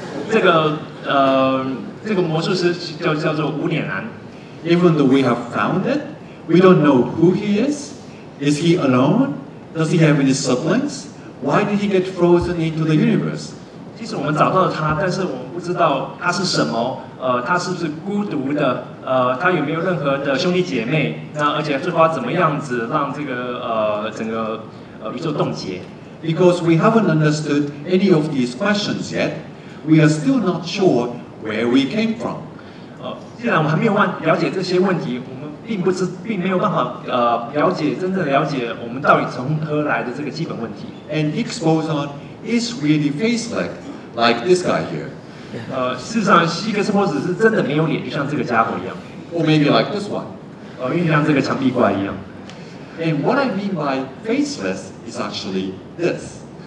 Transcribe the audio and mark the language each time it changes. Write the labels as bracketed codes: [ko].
[zh] 这个魔术师叫做无脸男。 [en] Even though we have found it, we don't know who he is. Is he alone? Does he have any siblings? Why did he get frozen into the universe? [zh] 其实我们找到了他，但是我们不知道他是什么。他是不是孤独的？他有没有任何的兄弟姐妹？那而且最后怎么样子让这个整个宇宙冻结 [en] ？Because we haven't understood any of these questions yet. We are still not sure where we came from. [zh] 既然我们还没有了解这些问题，我们并没有办法真正了解我们到底从何来的这个基本问题。 [en] And Higgs boson is really faceless, like this guy here. [zh] 事实上，希格斯玻色子是真的没有脸，就像这个家伙一样。 [en] Or maybe like this one. [zh] 就像这个墙壁怪一样。 [en] And what I mean by faceless is actually this.